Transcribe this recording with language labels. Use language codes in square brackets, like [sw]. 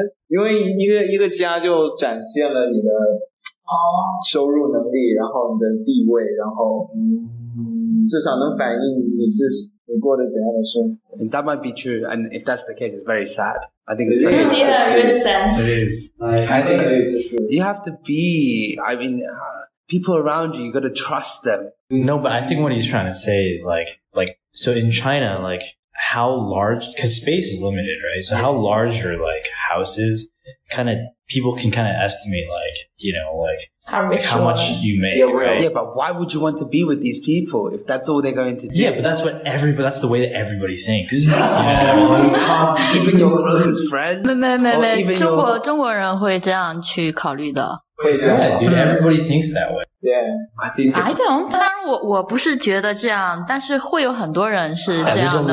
[zh] 因为一个家就展现了你的收入能力然后你的地位然后至少能反映你过得怎样的生活 [en] And that might be true and if that's the case it's very sad I think it's very sad It is, it is. I think it is true You have to be I mean people around you, you got to trust them. No, but I think what he's trying to say is like, so in China, like how large, because space is limited, right? So how large your like house is, kind of people can kind of estimate like, you know, like how much you make, yeah, right? Yeah, but why would you want to be with these people if that's all they're going to do? Yeah, but that's what everybody, that's the way that everybody thinks. Even your closest friends? No. [zh] 中国人会这样去考虑的。 [en] Yeah, dude, everybody thinks that way. Yeah, I think I don't. [zh] 当然我不是觉得这样，但是会有很多人是这样的。